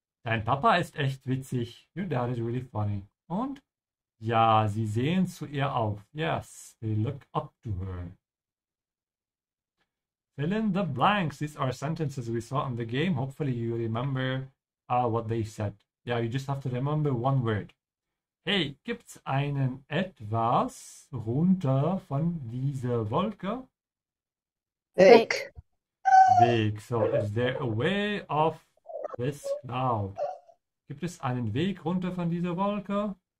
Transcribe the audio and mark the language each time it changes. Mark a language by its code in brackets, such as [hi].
[de] Dein Papa ist echt witzig. [en] Your dad is really funny. [de] Und? Ja, sie sehen zu ihr auf. [en] Yes, they look up to her. Fill in the blanks. These are sentences we saw in the game. Hopefully you remember what they said. Yeah, you just have to remember one word. [de] Hey, gibt's einen etwas runter von dieser Wolke? Weg. Weg. [en] So, is there a way off this cloud? [de] Gibt es einen Weg runter von dieser Wolke?